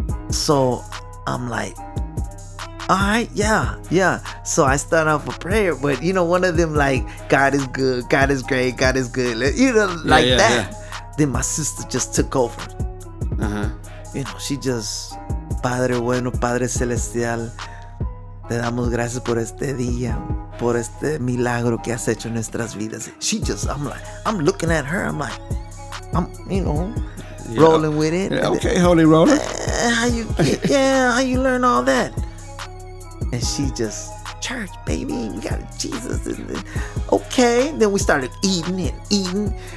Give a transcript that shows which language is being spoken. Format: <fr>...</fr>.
<en>So I'm like, all right, yeah. So I start off a prayer, but you know, one of them, like, God is good, God is great, God is good. You know, like that. Yeah. Then my sister just took over. Uh-huh. You know, she just</en> <es>Padre bueno, Padre celestial, te damos gracias por este día, por este milagro que has hecho en nuestras vidas.</es> <en>She just, I'm looking at her, rolling with it. Yeah, okay, holy roller. How you learn all that? And she just, church, baby, we got Jesus. Okay, then we started eating.</en>